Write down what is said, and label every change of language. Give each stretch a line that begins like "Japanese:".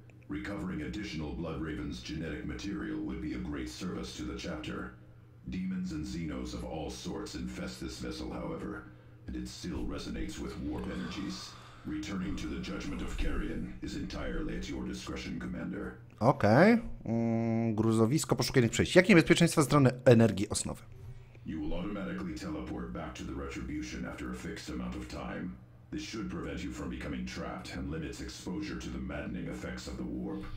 English: Recovering additional Blood Raven's genetic material would be a great service to the chapter. Demons and Xenos of all sorts infest this vessel, however, and it still resonates with warp energies. Returning to the Judgment of Carrion is entirely at your discretion, Commander. Okay.
Polish: Gruzowisko poszukiwanych przejść. Jakie niebezpieczeństwa ze strony energii osnowy?
English: You will automatically teleport back to the Retribution after a fixed amount of time. This should prevent you from becoming trapped and limits exposure to the maddening effects of the warp.